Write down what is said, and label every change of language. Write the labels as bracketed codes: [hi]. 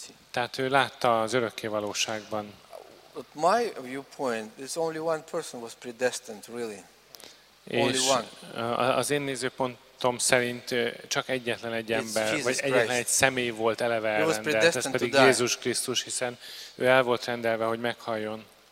[hu] Tehát ő látta az örökké valóságban. [en] But my viewpoint is only one person was predestined, really. [hu] És az én nézőpontom szerint csak egyetlen egy ember, vagy egyetlen egy személy volt eleve elrendelt, ez pedig Jézus Krisztus, hiszen ő el volt rendelve, hogy meghaljon.